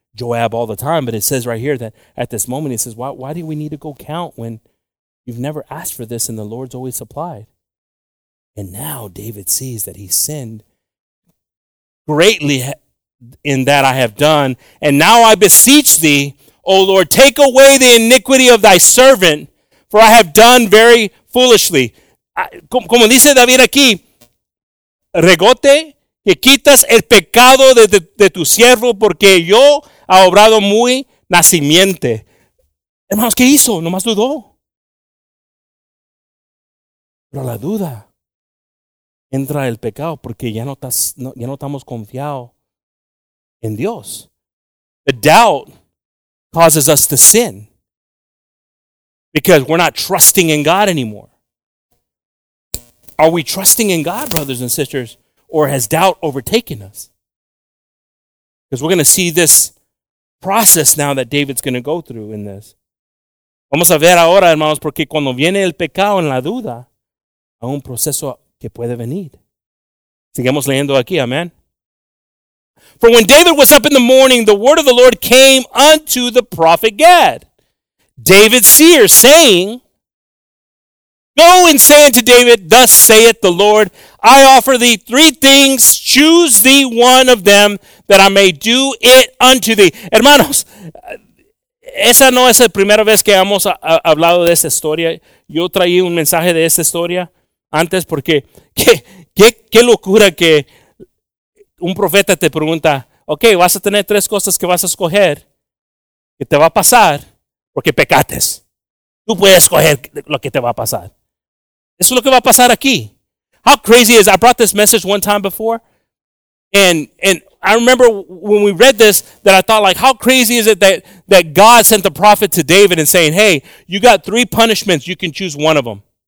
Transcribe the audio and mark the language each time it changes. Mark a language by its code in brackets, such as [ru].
[en] Joab all the time, but it says right here that at this moment, he says, why do we need to go count when you've never asked for this and the Lord's always supplied? And now David sees that he sinned greatly in that I have done. And now I beseech thee, O Lord, take away the iniquity of thy servant, for I have done very foolishly. [es] Como dice David aquí, regote que quitas el pecado de tu siervo, porque yo ha obrado muy nacimiento. Hermanos, ¿qué hizo? Nomás dudó. Pero la duda entra el pecado, porque ya no estamos confiados en Dios. [en] The doubt causes us to sin because we're not trusting in God anymore. Are we trusting in God, brothers and sisters, or has doubt overtaken us? Because we're going to see this process now that David's going to go through in this. [es] Vamos a ver ahora, hermanos, porque cuando viene el pecado en la duda, hay un proceso que puede venir. Sigamos leyendo aquí, amén. [en] For when David was up in the morning, the word of the Lord came unto the prophet Gad, David's seer, saying, go and say unto David, thus saith the Lord, I offer thee three things, choose thee one of them, that I may do it unto thee. [es] Hermanos, esa no es la primera vez que hemos hablado de esta historia. Yo traí un mensaje de esta historia antes porque qué locura que un profeta te pregunta, ok, vas a tener tres cosas que vas a escoger, que te va a pasar, porque pecates. Tú puedes escoger lo que te va a pasar. Eso es lo que va a pasar aquí. [en] How crazy is, I brought this message one time before, and I remember when we read this, that I thought, like, how crazy is it that God sent the prophet to David and saying, hey, you got three punishments, you can choose one of them.